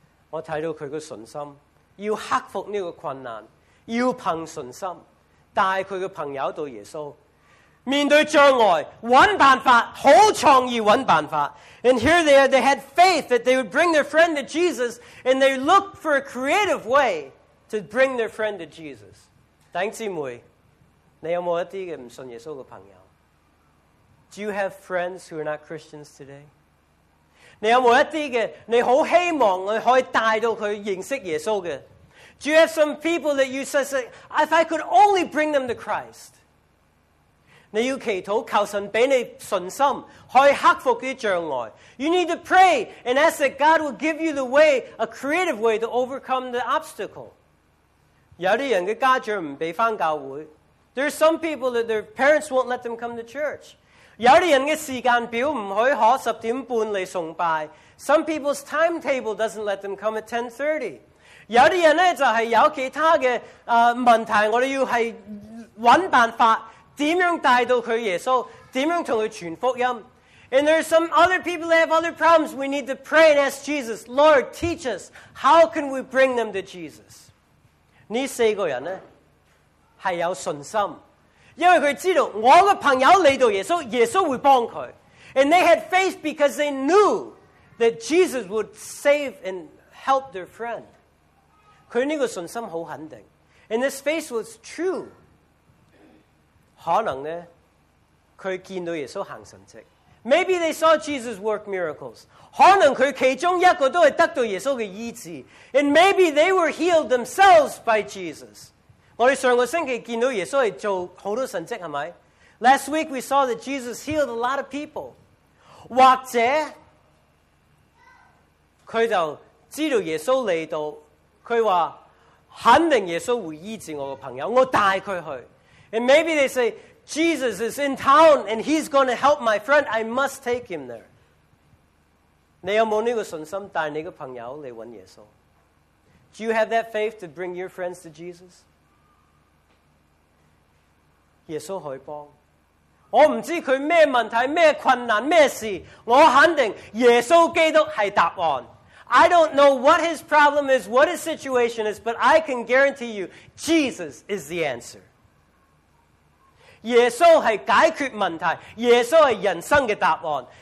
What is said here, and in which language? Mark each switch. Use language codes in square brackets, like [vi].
[yue] 我看到他的信心，要克服这个困难，要凭信心带他的朋友到耶稣，面对障碍找办法，好创意找办法。 [en] And here they are, they had faith that they would bring their friend to Jesus, and they looked for a creative way to bring their friend to Jesus. [yue] 弟兄姊妹，你有没有一些不信耶稣的朋友？ [en] Do you have friends who are not Christians today? [yue] 你有没有一些你很希望你可以带到他认识耶稣的？ [en] Do you have some people that you say, if I could only bring them to Christ? [yue] 你要祈祷求神给你信心可以克服这些障碍。 [en] You need to pray and ask that God will give you the way, a creative way to overcome the obstacle. [yue] 有些人的家长不让教会。 [en] There are some people that their parents won't let them come to church. [yue] 有些人的时间表不许可十点半来崇拜。 [en] Some people's timetable doesn't let them come at 10:30. [yue] 有些人就是有其他的问题，我们要是找办法怎样带到他耶稣，怎样跟他传福音。 [en] And there are some other people that have other problems. We need to pray and ask Jesus, Lord, teach us, how can we bring them to Jesus? [yue] 这四个人呢是有信心，因为他知道我的朋友来到耶稣，耶稣会帮他。 [en] And they had faith because they knew that Jesus would save and help their friend. [yue] 他这个信心很肯定。 [en] And this faith was true. [yue] 可能呢他见到耶稣行神迹， [en] Maybe they saw Jesus work miracles. [yue] 可能他其中一个都是得到耶稣的医治。 [en] And maybe they were healed themselves by Jesus. [yue] 我们上个星期见到耶稣是做很多神迹，是不是？ [en] Last week we saw that Jesus healed a lot of people. [yue] 或者他就知道耶稣来到，他说肯定耶稣会医治我的朋友，我带他去。 [en] And maybe they say, Jesus is in town and he's going to help my friend, I must take him there. [yue] 你有没有这个信心带你的朋友来找耶稣？ [en] Do you have that faith to bring your friends to Jesus? [yue] 耶稣可以帮，我不知道他什么问题，什么困难，什么事，我肯定耶稣基督是答案。 [en] I don't know what his problem is, what his situation is, but I can guarantee you Jesus is the answer. [yue] 耶稣是解决问题，耶稣是人生的答案。